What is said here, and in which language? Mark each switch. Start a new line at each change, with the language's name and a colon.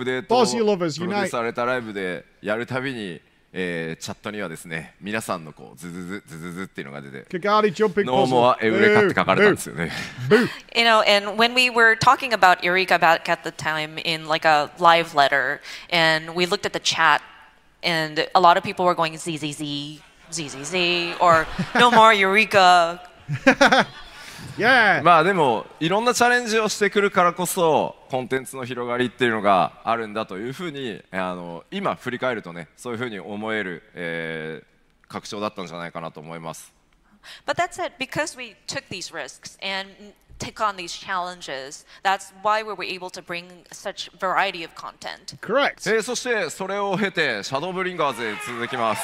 Japanese: ちなみに当時、Eurekaのアップデートをプロデュースされたライブでやるたびに チャットにはですね、皆さんのこうズズズズズっていうのが出て、ノーモアエウレカって書かれたんですよね。
English: Boo. You know, and when we were talking about Eureka back at the time in like a live letter, and we looked at the chat, and a lot of people were going ZZZ, ZZZ, or no more Eureka.
Japanese: まあでもいろんなチャレンジをしてくるからこそコンテンツの広がりっていうのがあるんだというふうに今振り返るとねそういうふうに思える拡張だったんじゃないかなと思います。
English: But that's it, because we took these risks and took on these challenges, that's why we were able to bring such variety of content. Correct.
Japanese: そしてそれを経てシャドーブリンガーズへ続きます。